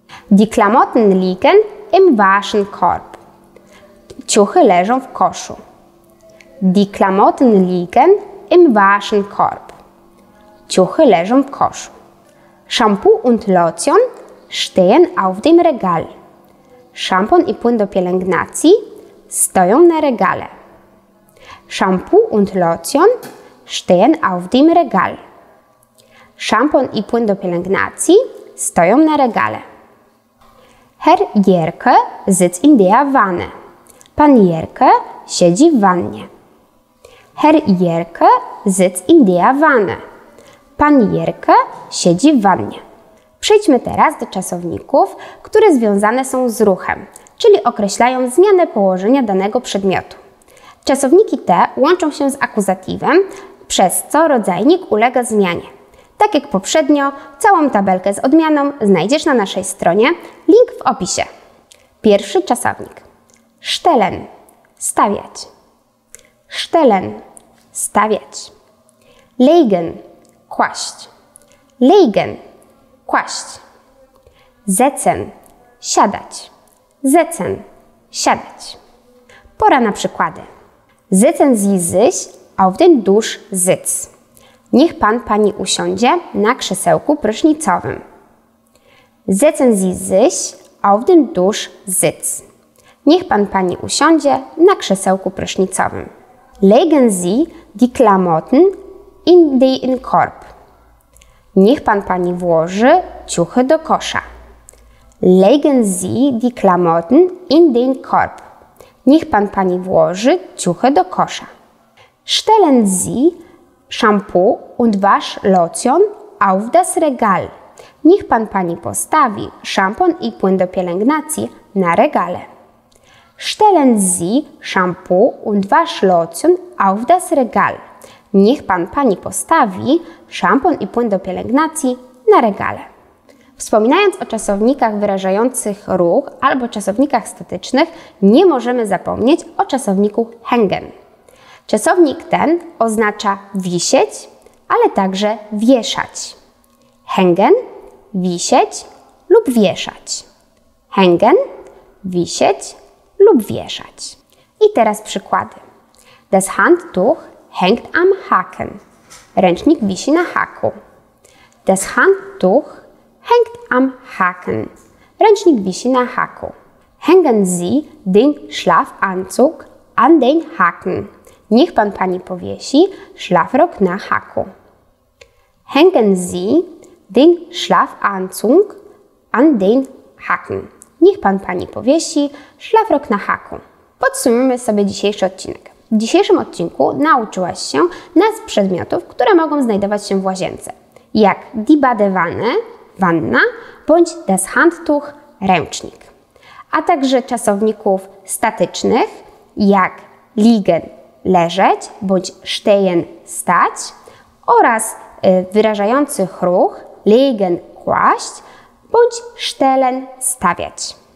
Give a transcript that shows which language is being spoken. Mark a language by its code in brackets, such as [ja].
[de] Die Klamotten liegen im Waschenkorb. [pl] Ciuchy leżą w koszu. [de] Die Klamotten liegen im Waschenkorb. [pl] Ciuchy leżą w koszu. [de] Shampoo und Lotion stehen auf dem Regal. [pl] Szampon i płyn do pielęgnacji stoją na regale. [de] Shampoo und Lotion stehen auf dem Regal. [pl] Szampon i płyn do pielęgnacji stoją na regale. [de] Herr Jerke sitzt in der Wanne. [pl] Pan Jerke siedzi w wannie. [de] Herr Jerke sitzt in der Wanne. [pl] Pan Jerke siedzi w wannie. Przejdźmy teraz do czasowników, które związane są z ruchem, czyli określają zmianę położenia danego przedmiotu. Czasowniki te łączą się z akuzatywem, przez co rodzajnik ulega zmianie. Tak jak poprzednio, całą tabelkę z odmianą znajdziesz na naszej stronie, link w opisie. Pierwszy czasownik. [de] Stellen, [pl] stawiać. [de] Stellen, [pl] stawiać. [de] Legen, [pl] kłaść. [de] Legen, [pl] kłaść. [de] Setzen, [pl] siadać. [de] Setzen, [pl] siadać. Pora na przykłady. [de] Setzen Sie sich auf den Duschsitz. [pl] Niech pan pani usiądzie na krzesełku prysznicowym. [de] Setzen Sie sich auf den Duschsitz. [pl] Niech pan pani usiądzie na krzesełku prysznicowym. [de] Legen Sie die Klamotten in den Korb. [pl] Niech pan pani włoży ciuchy do kosza. [de] Legen Sie die Klamotten in den Korb. [pl] Niech pan pani włoży ciuchy do kosza. [de] Stellen Sie Shampoo und Waschlotion auf das Regal. [pl] Niech pan pani postawi szampon i płyn do pielęgnacji na regale. [de] Stellen Sie Shampoo und Waschlotion auf das Regal. [pl] Niech pan pani postawi szampon i płyn do pielęgnacji na regale. Wspominając o czasownikach wyrażających ruch albo czasownikach statycznych, nie możemy zapomnieć o czasowniku hängen. Czasownik ten oznacza wisieć, ale także wieszać. Hängen – wisieć lub wieszać. Hängen – wisieć lub wieszać. I teraz przykłady. [de] Das Handtuch hängt am Haken. [pl] Ręcznik wisi na haku. [de] Das Handtuch hängt am Haken. [pl] Ręcznik wisi na haku. [de] Hängen Sie den Schlafanzug an den Haken. [pl] Niech pan pani powiesi szlafrok na haku. [de] Hängen Sie den Schlafanzug an den Haken. [pl] Niech pan pani powiesi szlafrok na haku. Podsumujmy sobie dzisiejszy odcinek. W dzisiejszym odcinku nauczyłaś się nazw przedmiotów, które mogą znajdować się w łazience, jak die Badewanne, wanna, bądź das Handtuch, ręcznik, a także czasowników statycznych, jak liegen, leżeć, bądź stehen, stać, oraz wyrażających ruch, legen, kłaść, bądź stellen, stawiać.